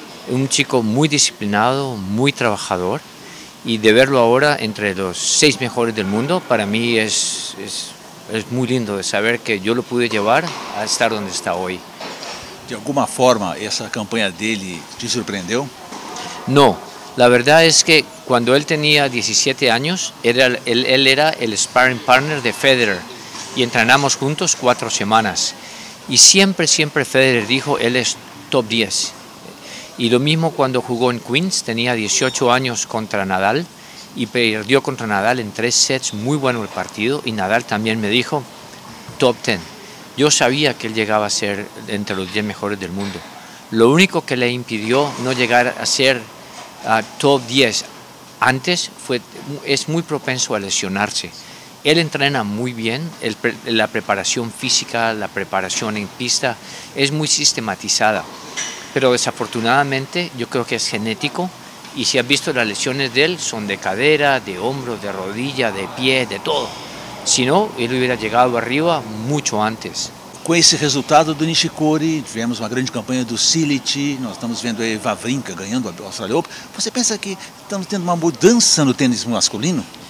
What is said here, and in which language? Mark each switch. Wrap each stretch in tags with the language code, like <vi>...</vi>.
<pt>Um</pt> <es>chico</es> <pt>muito disciplinado, muito trabalhador, e</pt> <es>de verlo</es> <pt>agora entre os 6 melhores do mundo, para mim é muito lindo de saber que eu</pt> <es>lo</es> <pt>pude levar a estar onde está hoje. De alguma forma, essa campanha dele te surpreendeu? Não. A verdade é que quando ele tinha 17 anos, ele era o sparring partner de Federer. E</pt> <es>entrenamos</es> <pt>juntos 4 semanas. E sempre, sempre Federer</pt> <es>dijo:</es> <pt>ele é top 10. E o mesmo quando jogou em Queens, tinha 18 anos contra Nadal. E perdeu contra Nadal em 3 sets, muito bom o partido. E Nadal também</pt> <es>me dijo:</es> <pt>top 10.</pt> <es>Yo sabía que él llegaba a ser entre los 10 mejores del mundo. Lo único que le impidió no llegar a ser top 10 antes es muy propenso a lesionarse. Él entrena muy bien, la preparación física, la preparación en pista, es muy sistematizada. Pero desafortunadamente yo creo que es genético y si has visto las lesiones de él, son de cadera, de hombro, de rodilla, de pie, de todo.</es> <pt>Se não, ele</pt> <es>hubiera</es> <pt>chegado</pt> <es>arriba</es> <pt>muito antes. Com esse resultado do Nishikori, tivemos uma grande campanha do Cilic, nós estamos vendo aí Wawrinka ganhando a Australia Open. Você pensa que estamos tendo uma mudança no tênis masculino?</pt>